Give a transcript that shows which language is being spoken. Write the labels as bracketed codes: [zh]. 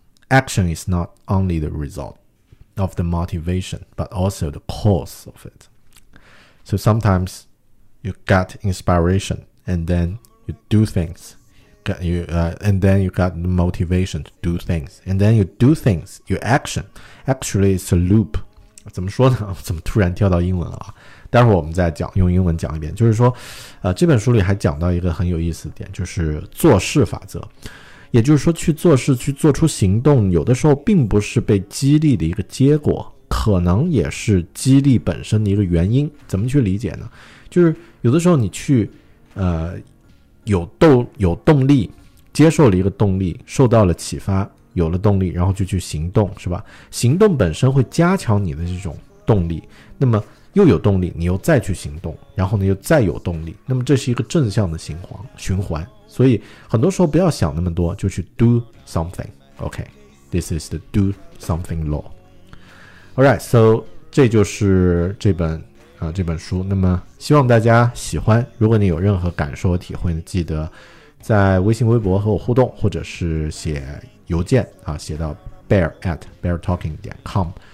[en] Action is not only the result. Of the motivation, but also the cause of it. So sometimes you get inspiration, and then you do things. And then you got the motivation to do things, and then you do things. You action. Actually, it's a loop. [zh] 怎么说呢？怎么突然跳到英文了啊？待会儿我们再讲，用英文讲一遍。就是说，这本书里还讲到一个很有意思的点，就是做事法则。也就是说去做事去做出行动，有的时候并不是被激励的一个结果，可能也是激励本身的一个原因。怎么去理解呢？就是有的时候你去有动力，接受了一个动力，受到了启发，有了动力，然后就去行动，是吧？行动本身会加强你的这种动力，那么又有动力，你又再去行动，然后呢又再有动力，那么这是一个正向的循环。所以很多时候不要想那么多，就去 [en] do something. OK, this is the do something law. Alright, so [zh] 这就是这本书。那么希望大家喜欢，如果你有任何感受和体会，记得在微信微博和我互动，或者是写邮件啊，写到 bear@beartalking.com。